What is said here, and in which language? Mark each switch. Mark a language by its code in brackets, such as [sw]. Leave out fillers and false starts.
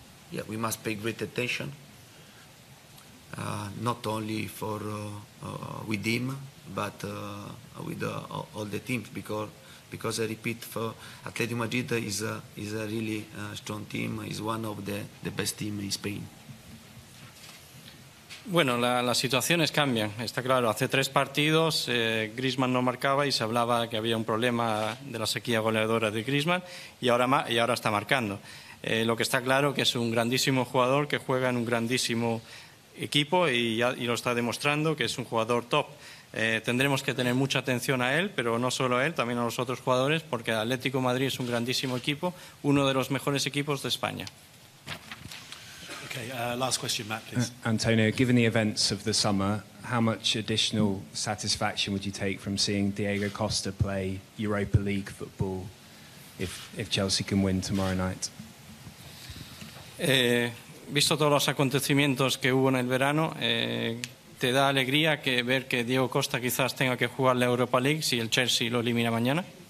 [en] Yeah, we must pay great attention, not only for with him, but with all the team, because I repeat, for Atletico Madrid is a really strong team, is one of the best team in Spain. [es] Bueno, las situaciones cambian, está claro. Hace tres partidos Griezmann no marcaba y se hablaba que había un problema de la sequía goleadora de Griezmann y ahora está marcando. Lo que está claro que es un grandísimo jugador que juega en un grandísimo equipo y lo está demostrando, que es un jugador top. Tendremos que tener mucha atención a él, pero no solo a él, también a los otros jugadores, porque Atlético Madrid es un grandísimo equipo, uno de los mejores equipos de España. [en] Okay, last question, Matt, please. Antonio, given the events of the summer, how much additional satisfaction would you take from seeing Diego Costa play Europa League football if Chelsea can win tomorrow night? [es] Visto todos los acontecimientos que hubo en el verano, ¿te da alegría que ver que Diego Costa quizás tenga que jugar la Europa League si el Chelsea lo elimina mañana?